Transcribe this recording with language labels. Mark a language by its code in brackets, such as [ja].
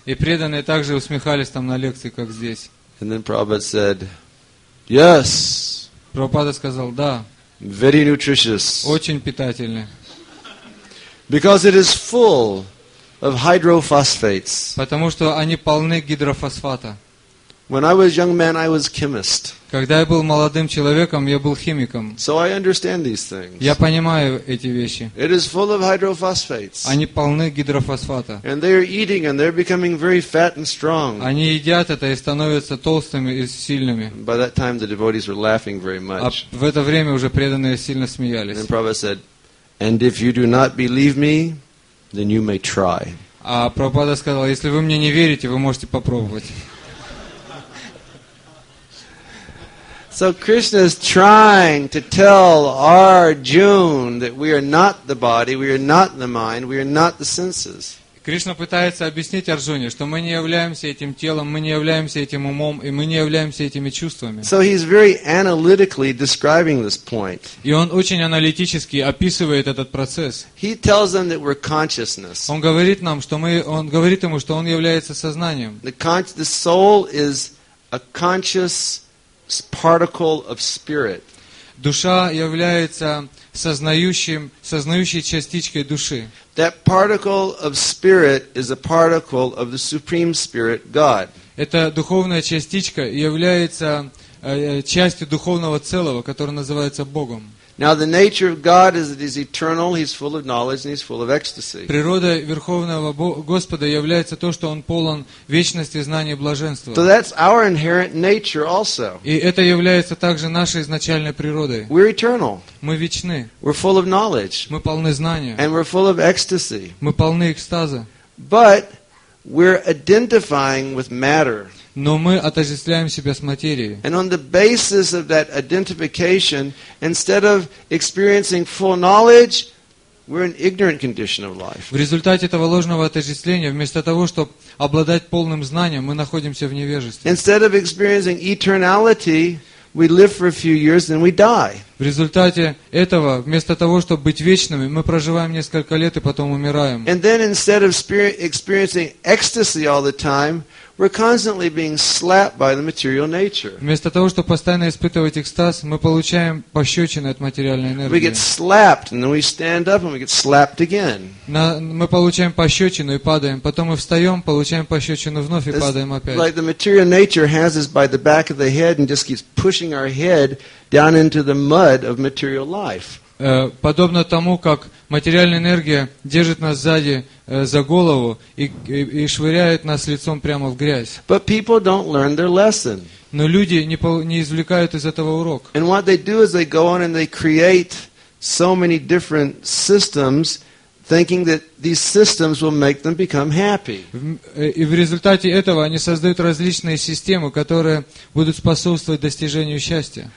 [ru] И преданные также усмехались там на лекции, как здесь. [en] And then Prabhupada said, yes. [ru] Прабхупада сказал, да. [en] Very nutritious. [ru] Очень питательны. [en] Because it is full of hydrophosphates. [ru] Потому что они полны гидрофосфата. [en] When I was young man, I was chemist. [ru] Когда я был молодым человеком, я был химиком. [en] So I understand these things. [ru] Я понимаю эти вещи. [en] It is full of hydrophosphates. [ru] Они полны гидрофосфата. [en] And they are eating and they're becoming very fat and strong. [ru] Они едят это и становятся толстыми и сильными. [en] By that time the devotees were laughing very much. [ru] А в это время уже преданные сильно смеялись. [en] And Prabhupada said, and if you do not believe me, then you may try. [ru] А Прабхупада сказал, если вы мне не верите, вы можете попробовать. [en] So Krishna is trying to tell Arjuna that we are not the body, we are not the mind, we are not the senses. [ru] Кришна пытается объяснить Арджуне, что мы не являемся этим телом, мы не являемся этим умом и мы не являемся этими чувствами. [en] So he's very analytically describing this point. [ru] И он очень аналитически описывает этот процесс. [en] He tells them that we're consciousness. [ru] Он говорит нам, что мы, он говорит ему, что он является сознанием. [en] The soul is a conscious particle of spirit. [ru] Душа является сознающей частичкой души. [en] That particle of spirit is a particle of the Supreme Spirit, God. [ru] Эта духовная частичка является частью духовного целого, которое называется Богом. [en] Now the nature of God is that He's eternal, He's full of knowledge, and He's full of ecstasy. [ru] Природа Верховного Господа является то, что Он полон вечности, знания, блаженства. [en] So that's our inherent nature also. [ru] И это является также нашей изначальной природой. [en] We're eternal. [ru] Мы вечны. [en] We're full of knowledge. [ru] Мы полны знания. [en] And we're full of ecstasy. [ru] Мы полны экстаза. [en] But we're identifying with matter. [ru] Но мы отождествляем себя с материей. [en] And on the basis of that identification, instead of experiencing full knowledge, we're in ignorant condition of life. [ru] В результате этого ложного отождествления, вместо того, чтобы обладать полным знанием, мы находимся в невежестве. [en] Instead of experiencing eternality, We live for a few years, then we die. [ru] В результате этого, вместо того, чтобы быть вечными, мы проживаем несколько лет и потом умираем. [en] And then instead of experiencing ecstasy all the time, we're constantly being slapped by the material nature. [ru] Вместо того, чтобы постоянно испытывать экстаз, мы получаем пощечины от материальной энергии. [en] We get slapped, and then we stand up, and we get slapped again. [ru] Мы получаем пощечину и падаем, потом мы встаем, получаем пощечину вновь и падаем опять. [en] It's like the material nature has us by the back of the head and just keeps pushing our head down into the mud of material life. [ru] Подобно тому, как материальная энергия держит нас сзади за голову и швыряет нас лицом прямо в грязь. [en] But people don't learn their lesson. [ru] Но люди не извлекают из этого урок. [en] And what they do is they go on and they create so many different systems, thinking that these systems will make them become happy. [ru] И в результате этого они создают различные системы, которые будут способствовать достижению счастья.